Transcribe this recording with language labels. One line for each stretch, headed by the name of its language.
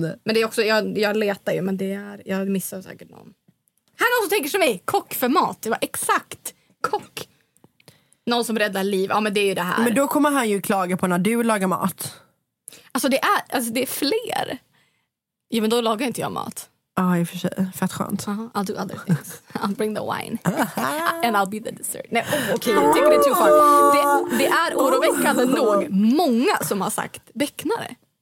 Swedish: Men det är också, jag letar ju, men det är, jag missar säkert någon. Här är någon som tänker som mig, kock för mat. Det var exakt, kock. Någon som räddar liv, ja men det är ju det här. Men då kommer han ju klaga på när du lagar mat. Alltså det är fler. Ja, men då lagar inte jag mat. Ja, i och för sig, fett skönt.
English: I'll do other things, I'll bring the wine. And I'll be the dessert.
Swedish: Nej, okej, okay, tycker det är
English: too far.
Swedish: Det är oroväckande nog många som har sagt bäcknare.